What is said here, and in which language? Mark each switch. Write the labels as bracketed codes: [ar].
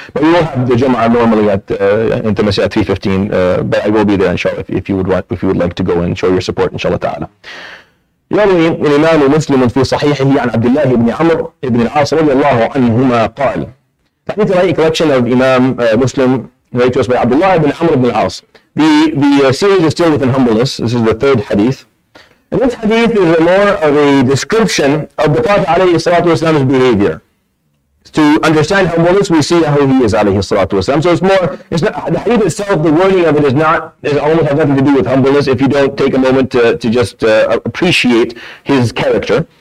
[en] But we will have the Jum'ah normally at intimacy at 3:15. But I will be there, inshallah, if you would like to go and show your support, inshallah ta'ala. [ar] يروي الإمام مسلم في صحيحه عن عبد الله بن عمرو بن العاص رضي الله عنهما قال. تحديث رأي [en] collection of Imam Muslim related to us by عبد الله بن عمرو بن العاص. The series is still within humbleness. This is the third hadith. And this hadith is more of a description of the Prophet [ar] عليه الصلاة والسلام's [en] behavior. To understand humbleness, we see how he is [ar] عليه الصلاة والسلام. [en] So it's more, it's not, the hadith itself, the wording of it almost has nothing to do with humbleness if you don't take a moment to just appreciate his character.